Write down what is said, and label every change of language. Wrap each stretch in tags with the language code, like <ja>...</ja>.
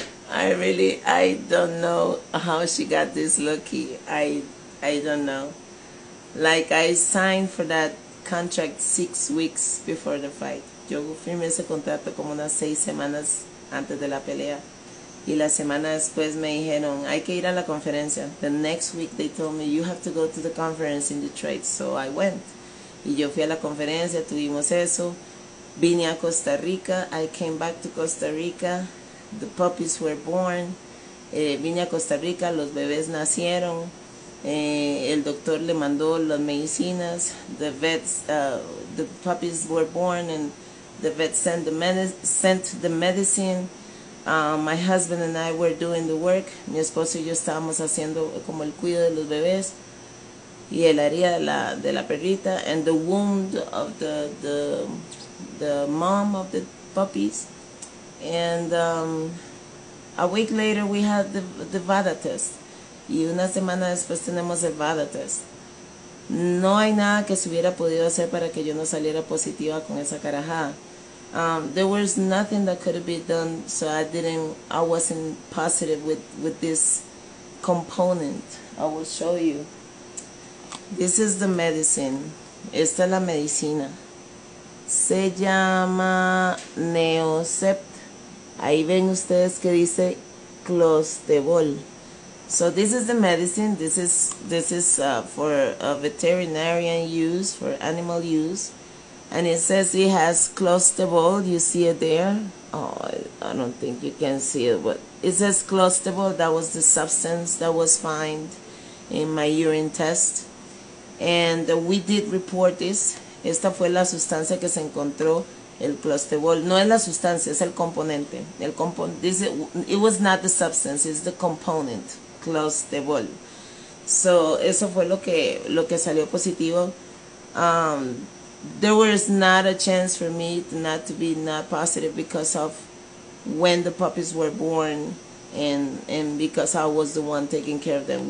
<en>I don't know how she got this lucky. I don't know. Like, I signed for that contract 6 weeks before the fight.</en> <es>Yo firmé ese contrato como unas 6 semanas antes de la pelea. Y la semana después me dijeron, hay que ir a la conferencia.</es> <en>The next week they told me, you have to go to the conference in Detroit. So I went.</en> <es>Y yo fui a la conferencia, tuvimos eso. Vine a Costa Rica.</es> <en>I came back to Costa Rica. The puppies were born.</en> <es>Vine a Costa Rica, los bebés nacieron, el doctor le mandó las medicinas,</es> <en>the vets, the puppies were born and the vet sent the medicine. My husband and I were doing the work.</en> <es>Mi esposo y yo estábamos haciendo como el cuido de los bebés y el área de la perrita,</es> <en>and the wound of the mom of the puppies. And a week later we had the VADA test.</en> <es>Y una semana después tenemos el VADA test. No hay nada que se hubiera podido hacer para que yo no saliera positiva con esa carajada.</es> <en>There was nothing that could be done, so I wasn't positive with this component. I will show you. This is the medicine.</en> <es>Esta es la medicina. Se llama Neocept. Ahí ven ustedes que dice Clostebol.</es> <en>So this is the medicine. This is for a veterinarian use, for animal use. And it says it has Clostebol. You see it there? Oh, I don't think you can see it, but it says Clostebol. That was the substance that was found in my urine test. And we did report this.</en> <es>Esta fue la sustancia que se encontró, el Clostebol. No es la sustancia, es el componente.</es> <en>It was not the substance, it's the component, Clostebol. So,</en> <es>eso fue lo que salió positivo.</es> <en>There was not a chance for me to not be positive because of when the puppies were born and because I was the one taking care of them.</en>